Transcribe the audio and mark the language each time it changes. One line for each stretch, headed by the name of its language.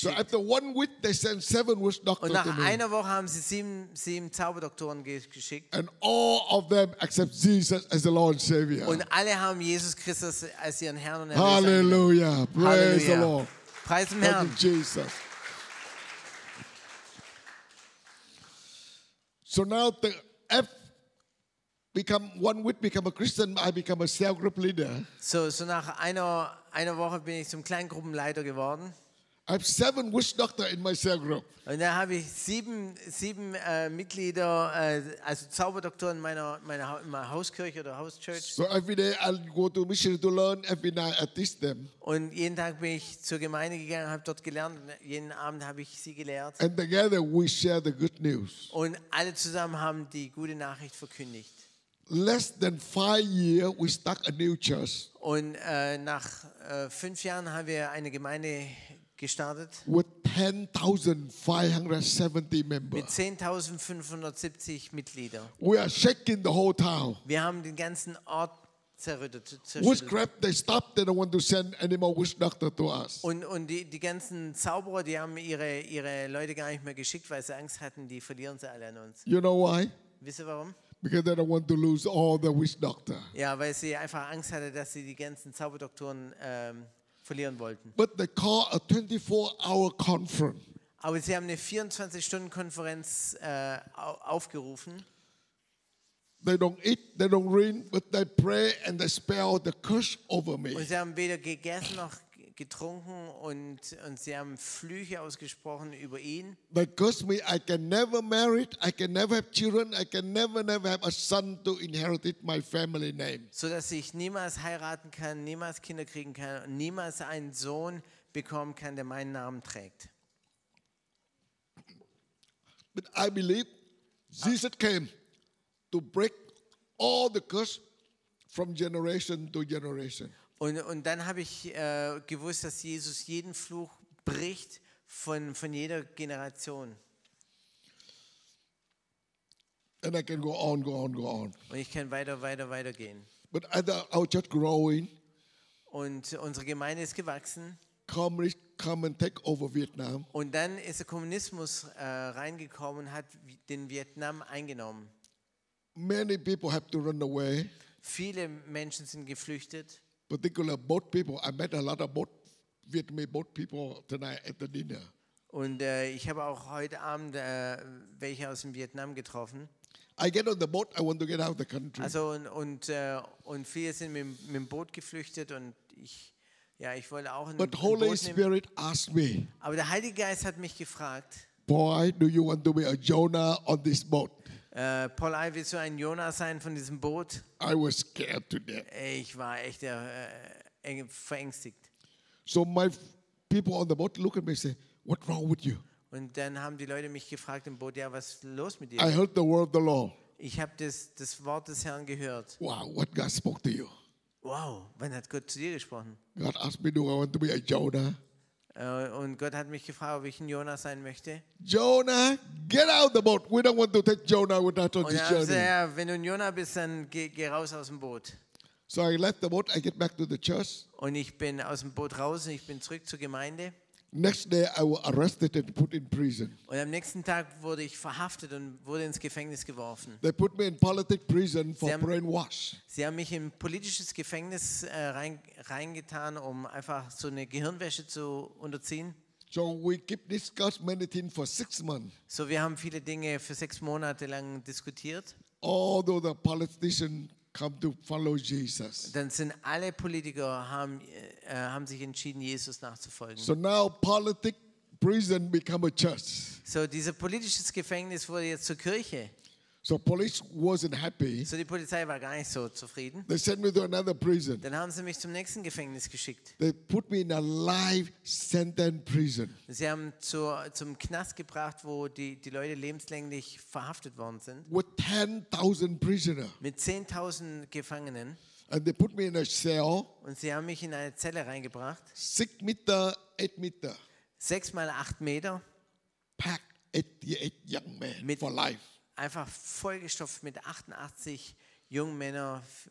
English: So after 1 week they sent 7 witch doctors.
German: Und nach einer Woche haben sie 7 Zauberdoktoren geschickt.
English: And all of them accept Jesus as the Lord and Savior.
German: Und alle haben Jesus Christus als ihren Herrn und Erlöser.
English: Halleluja. Praise the Lord.
German: Preis dem Herrn.
English: Thank you, Jesus. So now the F become one week become a Christian, I become a cell group leader.
German: So nach einer Woche bin ich zum Kleingruppenleiter geworden.
English: I have 7 witch doctors in my cell group.
German: Und da habe ich 7 Mitglieder, also Zauberdoktoren in meiner Hauskirche oder Hauschurch.
English: So every day I'll go to mission to learn, every night I teach them.
German: Und jeden Tag bin ich zur Gemeinde gegangen, habe dort gelernt, jeden Abend habe ich sie gelehrt.
English: And together we share the good news.
German: Und alle zusammen haben die gute Nachricht verkündigt.
English: Less than 5 years, we start a new church.
German: Und nach 5 Jahren haben wir eine Gemeinde gestartet.
English: With 10,570 members.
German: Mit 10,570 Mitglieder.
English: We are shaking the whole town.
German: Wir haben den ganzen Ort zerrüttet.
English: Witchcraft, they stopped. They don't want to send any more witch doctor to us.
German: Und die ganzen Zauberer, die haben ihre Leute gar nicht mehr geschickt, weil sie Angst hatten, die verlieren sie alle an uns.
English: You know why?
German: Wisst ihr warum?
English: Because they don't want to lose all the witch doctor.
German: Ja, weil sie einfach Angst hatte, dass sie die ganzen Zauberdoktoren verlieren wollten.
English: But they call a 24-hour conference.
German: Aber sie haben eine 24-Stunden-Konferenz aufgerufen.
English: They don't eat, they don't drink, but they pray and they spell the curse over me.
German: Und sie haben weder gegessen noch getrunken und sie haben Flüche ausgesprochen über ihn.
English: They curse me, I can never marry, I can never have children, I can never have a son to inherit my family name.
German: So dass ich niemals heiraten kann, niemals Kinder kriegen kann und niemals einen Sohn bekommen kann, der meinen Namen trägt.
English: But I believe Jesus came to break all the curse from generation to generation.
German: Und dann habe ich gewusst, dass Jesus jeden Fluch bricht von jeder Generation.
English: And I can go on.
German: Und ich kann weiter gehen.
English: But our church growing.
German: Und unsere Gemeinde ist gewachsen.
English: Come and take over Vietnam.
German: Und dann ist der Kommunismus reingekommen und hat den Vietnam eingenommen.
English: Many people have to run away.
German: Viele Menschen sind geflüchtet.
English: particular boat people. I met a lot of boat, Vietnamese boat people tonight at the dinner.
German: Und ich habe auch heute Abend welche aus dem Vietnam getroffen.
English: I get on the boat, I want to get out of the country.
German: Also und viele sind mit dem Boot geflüchtet und ich wollte auch ein Boot nehmen.
English: Asked me,
German: aber der Heilige Geist hat mich gefragt.
English: Boy, do you want to be a Jonah on this boat?
German: Paul, willst du ein Jonah sein von diesem Boot?
English: I was scared to death.
German: Ich war echt verängstigt.
English: So my people on the boat look at me and say, what wrong with you?
German: Und dann haben die Leute mich gefragt im Boot, ja, was ist los mit dir?
English: I heard the word of the Lord.
German: Ich habe das Wort des Herrn gehört.
English: Wow, what God spoke to you?
German: Wow, wann hat Gott zu dir gesprochen?
English: God asked me, do I want to be a Jonah?
German: Und Gott hat mich gefragt, ob ich ein Jonah sein möchte.
English: Jonah, get out of the boat. We don't want to take Jonah with us on this journey.
German: Und er sagte, wenn du ein Jonah bist, dann geh raus aus dem Boot.
English: So I left the boat, I get back to the church.
German: Und ich bin aus dem Boot raus und ich bin zurück zur Gemeinde.
English: Next day I was arrested and put in prison.
German: Und am nächsten Tag wurde ich verhaftet und wurde ins Gefängnis geworfen.
English: They put me in politic prison for brainwash.
German: Sie haben mich in politisches Gefängnis reingetan, um einfach so eine Gehirnwäsche zu unterziehen.
English: So we keep discussing many things for 6 months.
German: So wir haben viele Dinge für 6 Monate lang diskutiert.
English: Although the politician come to follow Jesus.
German: Dann sind alle Politiker haben sich entschieden, Jesus nachzufolgen.
English: So now politic prison become a church.
German: So dieses politische Gefängnis wurde jetzt zur Kirche.
English: So police wasn't happy.
German: So die Polizei war gar nicht so zufrieden.
English: They sent me to another prison.
German: Dann haben sie mich zum nächsten Gefängnis geschickt.
English: They put me in a life sentence prison.
German: Sie haben zum Knast gebracht, wo die Leute lebenslänglich verhaftet worden sind.
English: With 10,000 prisoners.
German: Mit 10,000 Gefangenen.
English: And they put me in a cell.
German: Und sie haben mich in eine Zelle reingebracht. 6 Meter, 8 Meter. 6 mal 8 Meter.
English: Packed 88 young men for life.
German: Einfach vollgestopft mit 88 jungen Männern.